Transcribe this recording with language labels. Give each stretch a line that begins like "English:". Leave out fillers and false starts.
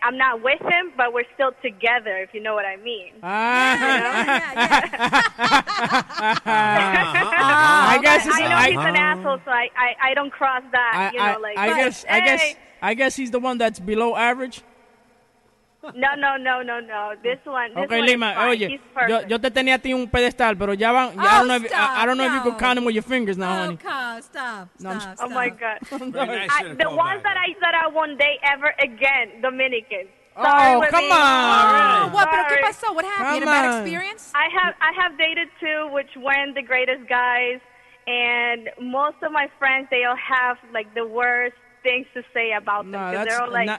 English: I'm not with him, but we're still together, if you know what I mean. I guess I know he's an asshole, so I don't cross that. I guess he's the one that's below average. No. This one. Okay, is fine. Lima.
Spanish: Oye, yo te tenía a ti un pedestal, pero ya van.
English: Ya I don't know if you could count them with your fingers now, honey. Stop. Oh my God. The ones that I said I won't date ever again, Dominicans. Oh, come on.
Spanish: Pero qué pasó?
English: What happened? You had a bad experience? I have dated two, which weren't the greatest guys, and most of my friends, they all have like the worst things to say about them, because they're all like,